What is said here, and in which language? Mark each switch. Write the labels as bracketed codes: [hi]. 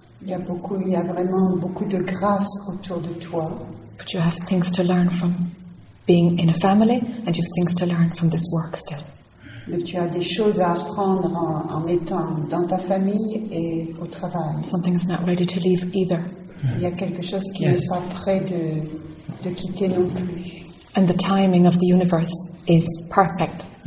[fr] Il y a vraiment beaucoup de grâce autour de toi. [en] But you have things to learn from being in a family, and you have things to learn from this work still. [fr] Mais tu as des choses à apprendre en étant dans ta famille et au travail. [en] Something is not ready to leave either. [fr] Il y a quelque chose qui n'est pas prêt de quitter non plus. [en] And the timing of the universe is perfect.